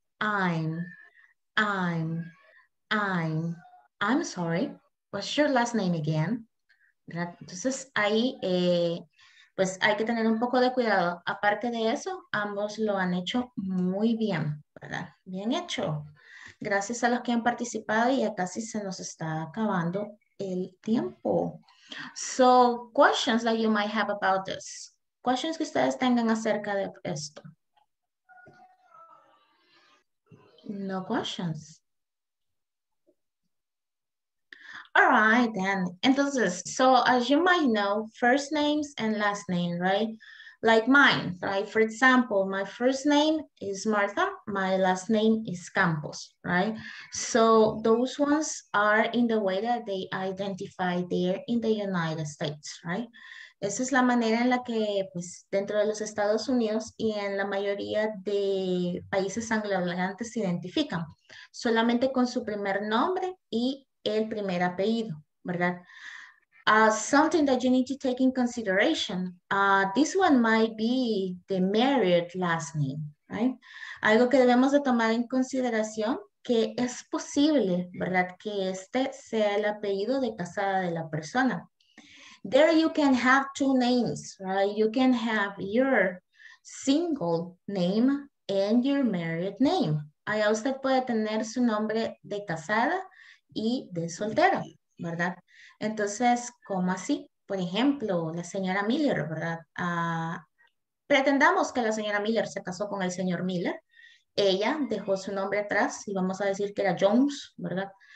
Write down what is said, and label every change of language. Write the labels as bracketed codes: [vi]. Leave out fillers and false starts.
[en] Ein. I'm sorry, what's your last name again? ¿Verdad? [es] Entonces ahí pues hay que tener un poco de cuidado. Aparte de eso, ambos lo han hecho muy bien, ¿verdad? Bien hecho. Gracias a los que han participado y ya casi se nos está acabando el tiempo. [en] So, questions that you might have about this. [es] Questions que ustedes tengan acerca de esto. [en] No questions. All right, then. Entonces, so as you might know, first names and last name, right? Like mine, right? For example, my first name is Martha. My last name is Campos, right? So those ones are in the way that they identify there in the United States, right? [es] Esa es la manera en la que, pues, dentro de los Estados Unidos y en la mayoría de países anglohablantes se identifican. Solamente con su primer nombre y el primer apellido, ¿verdad? [en] Something that you need to take in consideration. This one might be the married last name, right? [es] Algo que debemos de tomar en consideración, que es posible, ¿verdad? Que este sea el apellido de casada de la persona. [en] There you can have two names, right? You can have your single name and your married name. [es] Allá usted puede tener su nombre de casada y de soltera, ¿verdad? Entonces, ¿cómo así? Por ejemplo, la señora Miller, ¿verdad? Pretendamos que la señora Miller se casó con el señor Miller. Ella dejó su nombre atrás y vamos a decir que era Jones, ¿verdad?